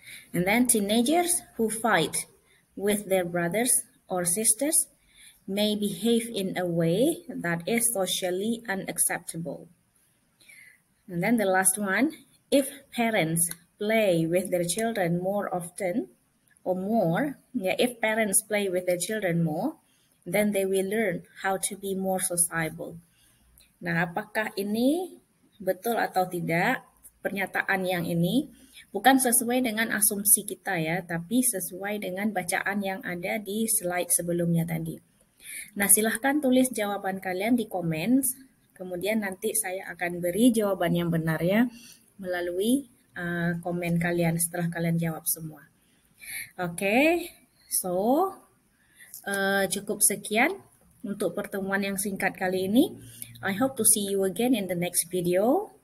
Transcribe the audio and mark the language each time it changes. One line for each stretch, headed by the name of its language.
English: And then teenagers who fight with their brothers or sisters may behave in a way that is socially unacceptable. And then the last one, if parents play with their children more often or more, yeah, if parents play with their children more, then they will learn how to be more sociable.
Indonesian: Nah, apakah ini betul atau tidak? Pernyataan yang ini bukan sesuai dengan asumsi kita ya, tapi sesuai dengan bacaan yang ada di slide sebelumnya tadi. Nah, silahkan tulis jawaban kalian di komen. Kemudian nanti saya akan beri jawaban yang benar ya melalui komen kalian setelah kalian jawab semua. Oke, so cukup sekian untuk pertemuan yang singkat kali ini.
English: I hope to see you again in the next video.